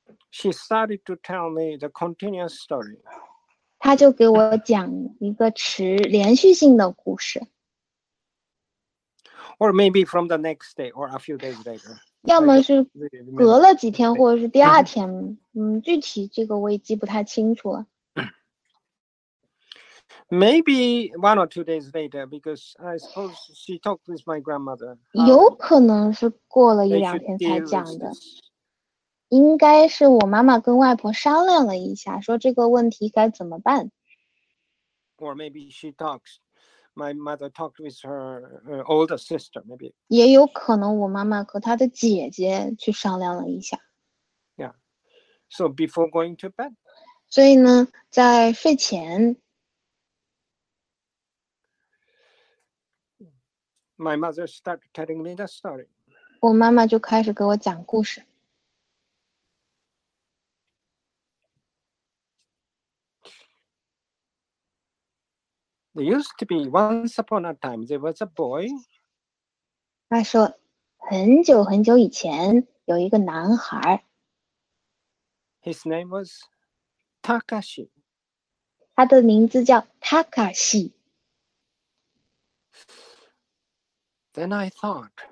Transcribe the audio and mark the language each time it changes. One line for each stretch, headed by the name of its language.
English: she started to tell me the continuous story.
Chinese: 他就给我讲一个词连续性的故事。
English: Or maybe from the next day or a few days later.
Chinese: 要么是隔了几天或者是第二天，具体这个我已经不太清楚了。
English: Maybe one or two days later, because I suppose she talked with my grandmother.
Chinese: 有可能是过了一两天才讲的。应该是我妈妈跟外婆商量了一下，说这个问题该怎么办。
English: Or maybe she talks, my mother talked with her older sister, maybe.
Chinese: 也有可能我妈妈和她的姐姐去商量了一下。
English: Yeah. So before going to bed.
Chinese: 所以呢，在睡前。
English: My mother started telling me the story.
Chinese: 我妈妈就开始给我讲故事。
English: There used to be once upon a time there was a boy.
Chinese: 她说，很久很久以前有一个男孩。
English: His name was Takashi.
Chinese: 他的名字叫 Takashi。
English: Then I thought.